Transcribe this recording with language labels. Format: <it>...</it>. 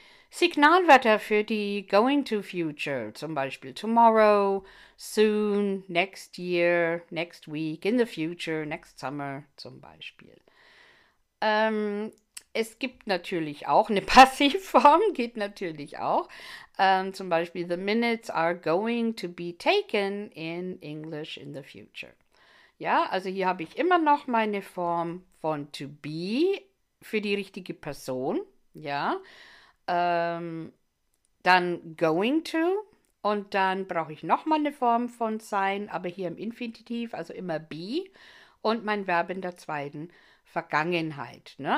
<de>Signalwörter für die</de> <en>Going to Future,</en> <de>zum Beispiel</de> <en>tomorrow, soon, next year, next week, in the future, next summer, zum Beispiel.</en> <de>Es gibt natürlich auch eine Passivform, geht natürlich auch. Zum Beispiel,</de> <en>the minutes are going to be taken in English in the future.</en> <de>Ja, also hier habe ich immer noch meine Form von to be für die richtige Person. Ja, dann going to und dann brauche ich noch mal eine Form von sein, aber hier im Infinitiv, also immer be und mein Verb in der zweiten Vergangenheit. Ne?</de>